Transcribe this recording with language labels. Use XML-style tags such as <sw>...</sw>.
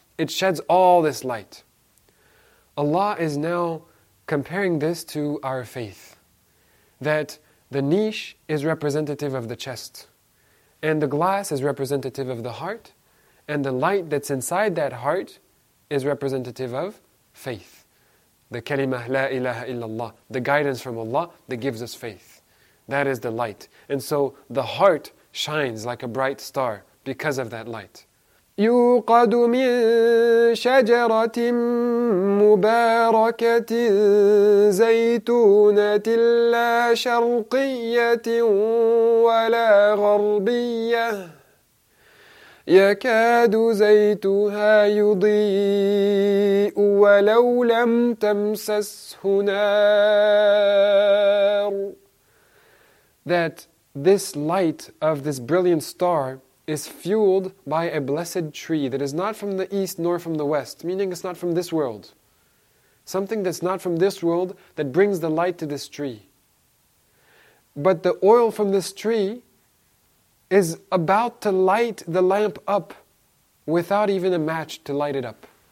<en>It sheds all this light. Allah is now comparing this to our faith, that the niche is representative of the chest, and the glass is representative of the heart, and the light that's inside that heart is representative of faith. The kalima la ilaha illallah, the guidance from Allah that gives us faith. That is the light. And so the heart shines like a bright star because of that light.</en> <ar>يوقد من شجرة مباركة زيتونة لا شرقية ولا غربية يكاد زيتها يضيء ولو لم تمسسه نار.</ar> <en>That this light of this brilliant star is fueled by a blessed tree that is not from the east nor from the west, meaning it's not from this world. Something that's not from this world that brings the light to this tree. But the oil from this tree is about to light the lamp up without even a match to light it up.</en>